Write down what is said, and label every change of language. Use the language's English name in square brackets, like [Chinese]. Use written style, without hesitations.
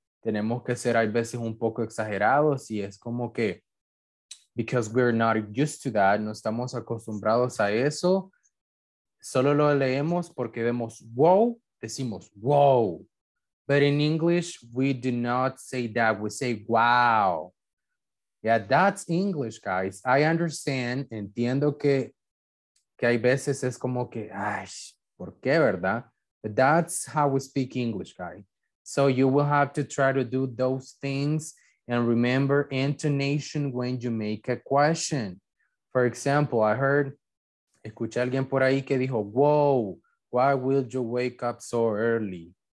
[Spanish] Tenemos que ser a veces un poco exagerados y es como que, [English] because we're not used to that, [Spanish] no estamos acostumbrados a eso. Solo lo leemos porque vemos, whoa, decimos, whoa. [English] But in English, we do not say that. We say, wow. Yeah, that's English, guys. I understand. [Spanish] Entiendo que hay veces es como que, ay, ¿por qué, verdad? [English] But that's how we speak English, guys. So you will have to try to do those things and remember intonation when you make a question. For example, I heard, [Spanish] escuché a alguien por ahí que dijo, [English] whoa, why would you wake up so early?